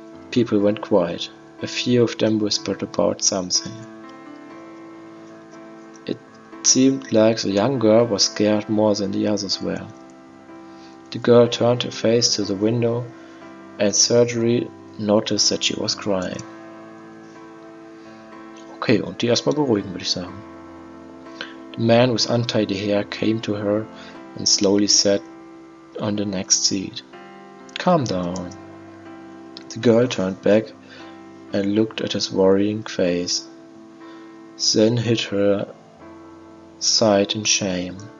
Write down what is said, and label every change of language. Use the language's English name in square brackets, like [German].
[English] People went quiet. A few of them whispered about something. It seemed like the young girl was scared more than the others were. The girl turned her face to the window and Sergey noticed that she was crying. [German] Okay, und die erstmal beruhigen, würde ich sagen. [English] The man with untidy hair came to her and slowly sat on the next seat. "Calm down." The girl turned back and looked at his worrying face, then hid her sight in shame.